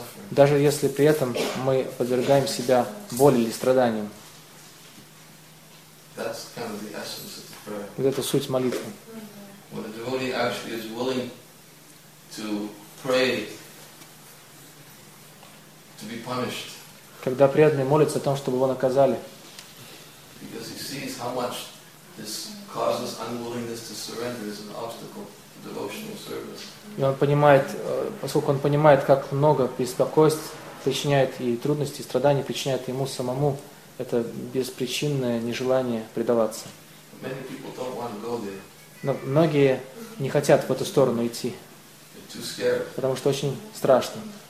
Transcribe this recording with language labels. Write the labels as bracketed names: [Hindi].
[Russian] Даже если при этом мы подвергаем себя боли или страданиям. [English] That's kind of the essence of the prayer. [Russian] Вот это суть молитвы. [English] When a devotee devotee actually is willing to pray to be punished. [Russian] Когда преданный молится о том, чтобы его наказали. [English] Because he sees how much this causes unwillingness to surrender is an obstacle to devotional service. [Russian] И он понимает, поскольку он понимает, как много беспокойств причиняет и трудностей, и страданий причиняет ему самому, это беспричинное нежелание предаваться. [English] Many people don't want to go there. [Russian] Но многие не хотят в эту сторону идти, потому что очень страшно.